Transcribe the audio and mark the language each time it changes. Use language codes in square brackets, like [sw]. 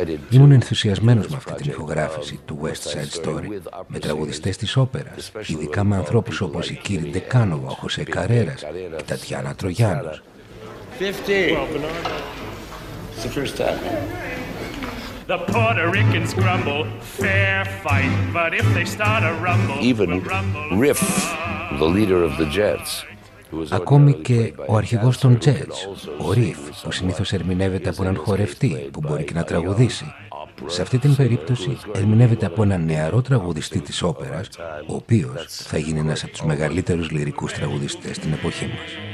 [el] Ήμουν ενθουσιασμένος με αυτή την ηχογράφηση του West Side Story, με τραγουδιστές της όπερας, ειδικά με ανθρώπους όπως η Κύρι Ντεκάνοβα, ο Χωσέ Καρέρας και η Τατιάνα Τρογιάνος. [en] The Puerto Ricans grumble, fair fight, but if they start a rumble, even Riff, the leader of the Jets. [el] Ακόμη και ο αρχηγός των Jets, ο Riff, που συνήθως ερμηνεύεται από έναν χορευτή που μπορεί και να τραγουδήσει. Σε αυτή την περίπτωση ερμηνεύεται από έναν νεαρό τραγουδιστή της όπερας, ο οποίος θα γίνει ένας από τους μεγαλύτερους λυρικούς τραγουδιστές στην εποχή μας.